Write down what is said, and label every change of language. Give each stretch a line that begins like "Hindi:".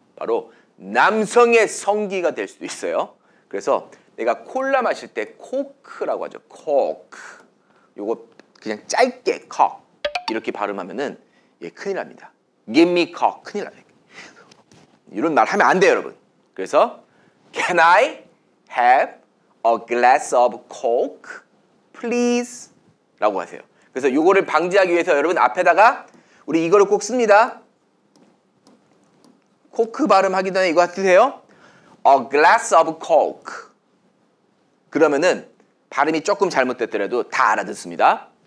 Korean: 바로 남성의 성기가 될 수도 있어요. 그래서 내가 콜라 마실 때 코크라고 하죠. 코크. 요거 그냥 짧게 칵 이렇게 발음하면은 예, 큰일 납니다.
English: Give me cock.
Korean: 큰일 납니다. 이런 말 하면 안 돼요, 여러분.
English: 그래서 Can I have a glass of coke, please?
Korean: 라고 하세요. 그래서 요거를 방지하기 위해서 여러분 앞에다가 우리 이거를 꼭 씁니다. 코크 발음하기 전에 이거 쓰세요.
English: A glass of coke.
Korean: 그러면은 발음이 조금 잘못됐더라도 다 알아듣습니다.